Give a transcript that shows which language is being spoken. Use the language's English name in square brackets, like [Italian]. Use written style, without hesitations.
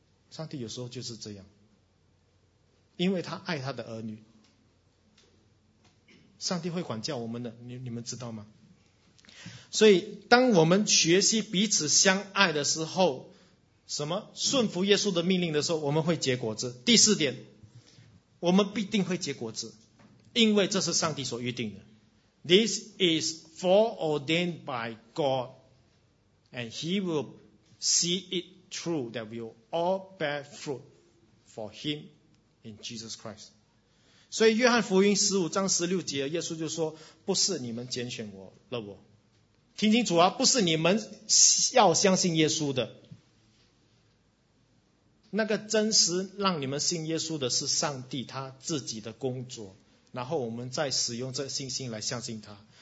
[Chinese] 上帝有时候就是这样，因为他爱他的儿女，上帝会管教我们的。你们知道吗？所以当我们学习彼此相爱的时候，什么顺服耶稣的命令的时候，我们会结果子。第四点，我们必定会结果子，因为这是上帝所预定的。 [English] This is foreordained by God and he will see it through that we will all bear fruit for him in Jesus Christ. [Chinese] 所以约翰福音15:16，耶稣就说，不是你们拣选我了，我听清楚啊，不是你们要相信耶稣的，那个真实让你们信耶稣的是上帝他自己的工作，然后我们再使用这信心来相信他。